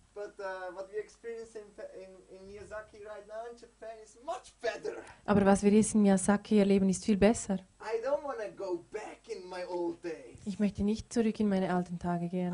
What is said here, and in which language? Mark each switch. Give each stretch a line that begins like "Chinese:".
English: But what we experience in Miyazaki right now in Japan is much better.
German: Aber was wir jetzt in Miyazaki erleben, ist viel besser.
English: I don't want to go back in my old days.
German: Ich möchte nicht zurück in meine alten Tage gehen.